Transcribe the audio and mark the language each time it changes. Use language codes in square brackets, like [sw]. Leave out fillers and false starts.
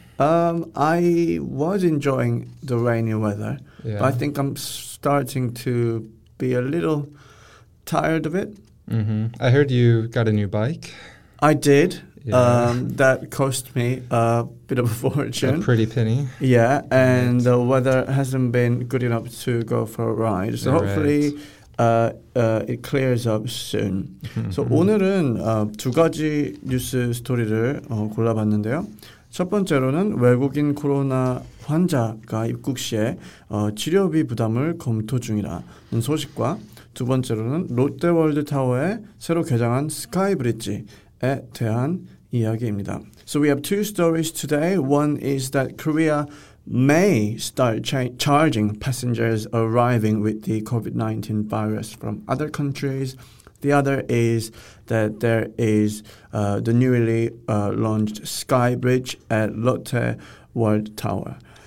[en] I was enjoying the rainy weather, but I think I'm starting to be a little tired of it. Mm-hmm. I heard you got a new bike. I did. Yeah. That cost me a bit of a fortune. A pretty penny. Yeah, and the weather hasn't been good enough to go for a ride. So hopefully it clears up soon. [ko] So 오늘은 두 가지 뉴스 스토리를 골라봤는데요. 첫 번째로는 외국인 코로나 환자가 입국 시에 치료비 부담을 검토 중이라는 소식과 두 번째로는 롯데월드타워에 새로 개장한 스카이브릿지에 대한 이야기입니다. [en] So we have two stories today. One is that Korea may start charging passengers arriving with the COVID-19 virus from other countries. The other is that there is the newly launched Skybridge at Lotte World Tower.